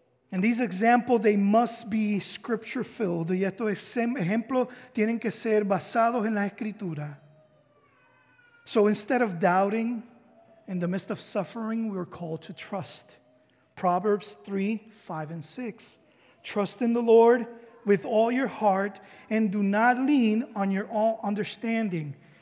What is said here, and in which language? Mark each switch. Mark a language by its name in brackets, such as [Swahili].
[English] And these examples, they must be scripture filled. [Spanish] Y estos ejemplos tienen que ser basados en la escritura. [English] So instead of doubting, in the midst of suffering, we are called to trust. Proverbs 3, 5, and 6. Trust in the Lord with all your heart and do not lean on your own understanding.